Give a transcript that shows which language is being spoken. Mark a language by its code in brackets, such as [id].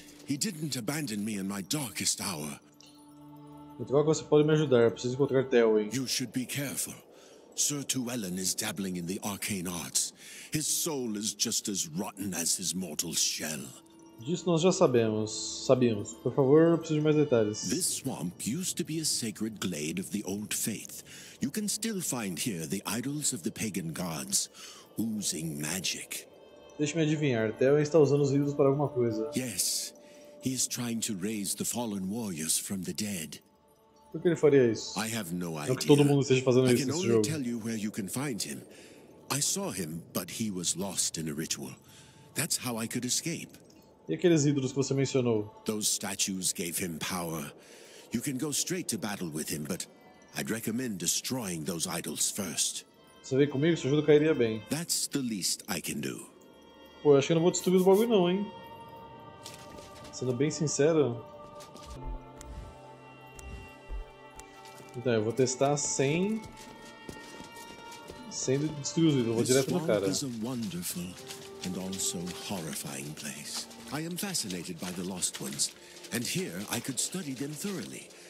[en] He didn't abandon me in my darkest hour. [pt] Então, você pode me ajudar? Eu preciso encontrar Telwyn. [en] You should be careful. Sir Tuellen is dabbling in the arcane arts. His soul is just as rotten as his mortal shell. [pt] Disso nós já sabemos. Sabíamos. Por favor, eu preciso de mais detalhes. [en] This swamp used to be a sacred glade of the old faith. You can still find here the idols of the pagan gods, oozing magic. [pt] Deixa-me adivinhar, Telwyn está usando os ídolos para alguma coisa. [en] Yes, he is trying to raise the fallen warriors from the dead. [pt] Por que ele faria isso? [en] I have no idea. [pt] Não que todo mundo esteja fazendo isso nesse jogo. [en] I can only tell you where you can find him. I saw him, but he was lost in a ritual. That's how I could escape. [pt] E aqueles ídolos que você mencionou? [en] Those statues gave him power. You can go straight to battle with him, but I'd recommend destroying those idols first. [pt] Você vem comigo, sua ajuda cairia bem. [en] That's the least I can do. [pt] Pô, eu acho que eu não vou destruir os bagulho não, hein? Sendo bem sincero. Então, eu vou testar sem destruir os ídolos, vou direto no cara. [en] This is a wonderful and also horrifying place. I am fascinated by the lost ones, and here I could study them thoroughly.